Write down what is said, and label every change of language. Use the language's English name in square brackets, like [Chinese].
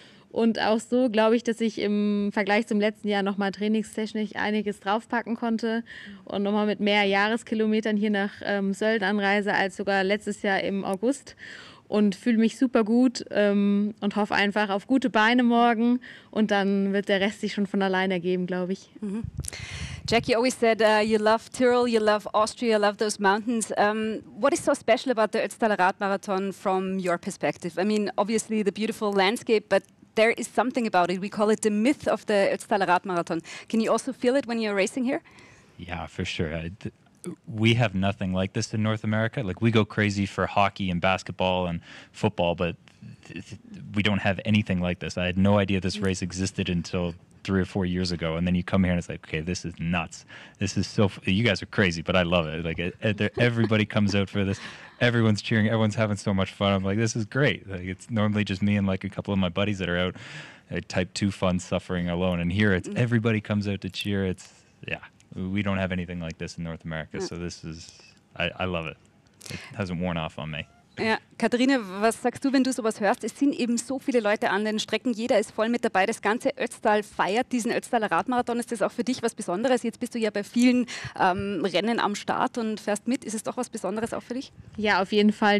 [German] Und auch so glaube ich, dass ich im Vergleich zum letzten Jahr nochmal trainingstechnisch einiges draufpacken konnte und nochmal mit mehr Jahreskilometern hier nach Sölden anreise als sogar letztes Jahr im August. Und fühle mich super gut und hoffe einfach auf gute Beine morgen. Und dann wird der Rest sich schon von alleine ergeben, glaube ich. Mm-hmm. [English] Jack, you always said you love Tyrol, you love Austria, you love those mountains. What is so special about the Ötztaler Radmarathon from your perspective? I mean, obviously the beautiful landscape, but there is something about it. We call it the myth of the Ötztaler Radmarathon. Can you also feel it when you're racing here? Yeah, for sure. We have nothing like this in North America. Like, we go crazy for hockey and basketball and football, but we don't have anything like this. I had no idea this race existed until 3 or 4 years ago. And then you come here and it's like, okay, this is nuts. This is so, you guys are crazy, but I love it. Like, everybody comes out for this. Everyone's cheering. Everyone's having so much fun. I'm like, this is great. Like, it's normally just me and like a couple of my buddies that are out type 2 fun suffering alone. And here it's everybody comes out to cheer. It's, yeah. We don't have anything like this in North America, so this is, I love it. It hasn't worn off on me. [German] Ja, Katharina, was sagst du, wenn du sowas hörst? Es sind eben so viele Leute an den Strecken, jeder ist voll mit dabei. Das ganze Ötztal feiert diesen Ötztaler Radmarathon. Ist das auch für dich was Besonderes? Jetzt bist du ja bei vielen Rennen am Start und fährst mit. Ist es doch was Besonderes auch für dich? Ja, auf jeden Fall.